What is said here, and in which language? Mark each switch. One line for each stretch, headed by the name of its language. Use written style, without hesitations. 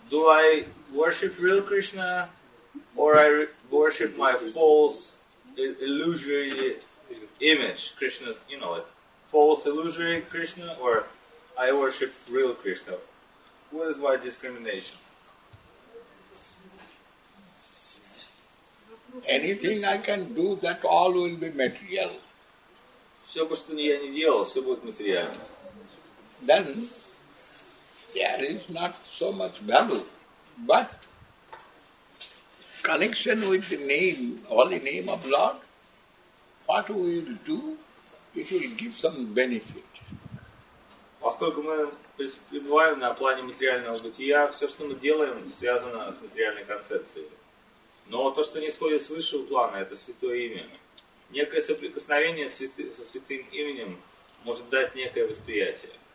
English: Do I worship real Krishna, or I worship my false, illusory image, Krishna's, you know, like, false, illusory Krishna, or I worship real Krishna? What is my discrimination? Anything I can do, that all will be material.
Russian: Все, что я не делал, все будет материально.
English: Then there is not so much value, but connection with the name, holy name of Lord, what we will do, it will give some benefit.
Russian: Поскольку мы пребываем на плане материального бытия, все, что мы делаем, связано с материальной концепцией. Но то, что не сходит с высшего плана, это святое имя. Некое соприкосновение со святым именем может дать некое восприятие.